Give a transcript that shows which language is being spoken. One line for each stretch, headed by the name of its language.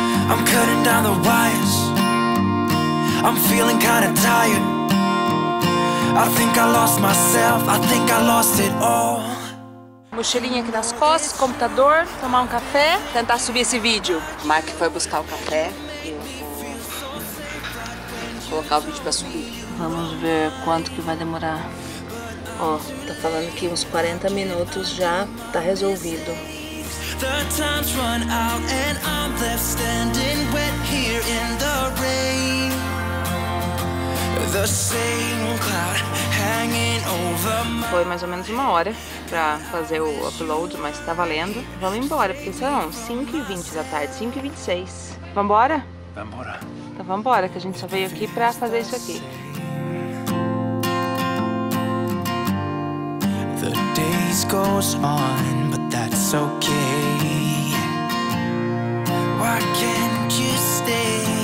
English: I'm cutting down the wires, I'm feeling kinda tired. I think I lost myself, I think I lost it all.
Portuguese: Mochilinha aqui nas costas, computador, tomar um café, tentar subir esse vídeo. O Mark foi buscar o café e vou colocar o vídeo pra subir. Vamos ver quanto que vai demorar. Ó, tá falando que uns 40 minutos já tá resolvido.
English: The time's run out and I'm left standing wet here in the rain. The same cloud hanging over my...
Portuguese: Foi mais ou menos uma hora pra fazer o upload, mas tá valendo. Vamos embora, porque são 5h20 da tarde, 5h26. Vambora? Vambora. Então vambora, que a gente só veio aqui pra fazer isso aqui.
English: The days goes on, but that's okay. Why can't you stay?